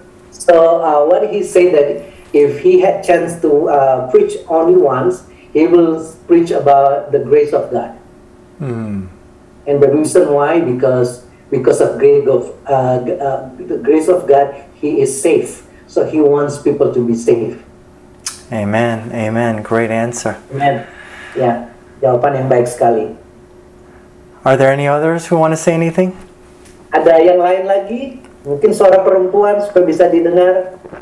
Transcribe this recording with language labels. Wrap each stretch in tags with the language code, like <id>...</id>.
<en>So what he said that if he had chance to preach only once, he will preach about the grace of God. Mm. And the reason why, because of the grace of God, he is safe. So he wants people to be safe. Amen, amen. Great answer. Amen.</en> <id>Yeah, jawaban yang baik sekali.</id> <en>Are there any others who want to say anything?</en> <id>Ada yang lain lagi? Mungkin suara perempuan supaya bisa didengar.</id>